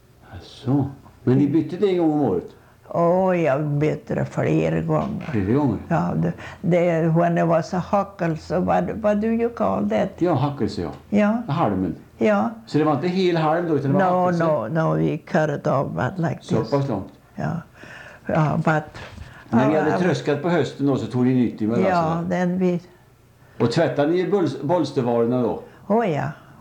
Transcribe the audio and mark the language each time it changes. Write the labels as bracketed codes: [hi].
[sv] Asså, men ni bytte det en gång om året? Jag bytte det flera gånger. Flera gånger? [en] Ja, when it was a hakelse, what do you call that? [sv] Ja, hakelse, ja. Ja. Halmen. Ja. Så det var inte hel halm då, utan det var [en] No, we cut it off, but like [sv] så [en] this. [sv] Så pass långt. Ja. Ja, but... Men ni hade tröskat på hösten då, så tog ni nytt i madrasserna? [en] Ja, then we... [sv] Och tvättade ni bolstervarorna då? Ja.